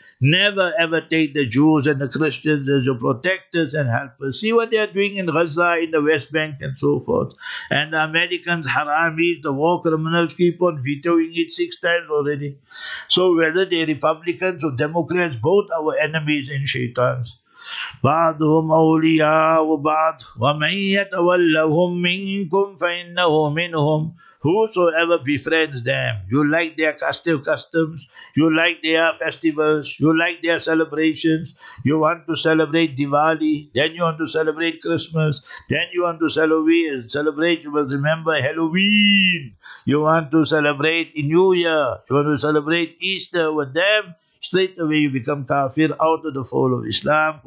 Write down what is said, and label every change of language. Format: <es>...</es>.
<en>Never ever take the Jews and the Christians as your protectors and helpers. See what they are doing in Gaza, in the West Bank and so forth. And the Americans, haramis, the war criminals keep on vetoing it 6 times already. So whether they're Republicans or Democrats, both our enemies and shaitans.</en> <ar>بعضهم أولياء وبعض ومن يتولهم منكم فإنه منهم.</ar> <en>Whosoever befriends them, you like their customs, you like their festivals, you like their celebrations, you want to celebrate Diwali, then you want to celebrate Christmas, then you want to celebrate, you must remember Halloween, you want to celebrate New Year, you want to celebrate Easter with them, straight away you become kafir out of the fold of Islam.</en>